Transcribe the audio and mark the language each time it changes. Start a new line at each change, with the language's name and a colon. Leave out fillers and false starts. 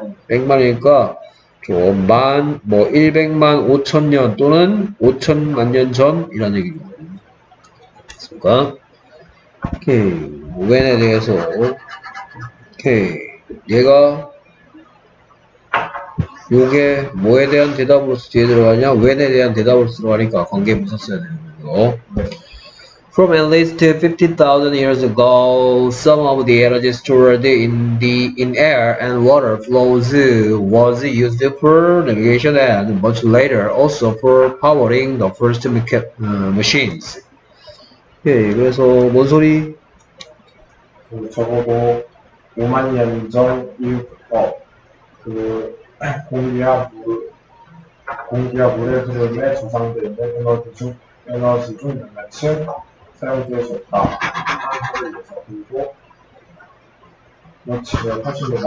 Korean: 100만이니까 100만, 뭐 100만 5천년 또는 5천만 년 전이라는 얘기죠. 됐습니까? 오케이. 웬에 대해서 오케이. 얘가 요게 뭐에 대한 대답으로서 뒤에 들어가냐? 웬에 대한 대답으로서 들어가니까 관계 붙었어야 되는 거죠.
English: From at least 50,000 years ago, some of the energy stored in air and water flows was used for navigation and much later also for powering the first machines.
Korean: 예, 그래서 뭔 소리? 저거 5만 년 전 이후부터 그 공기와 물의 흐름에 저장되는 에너지 중 양같이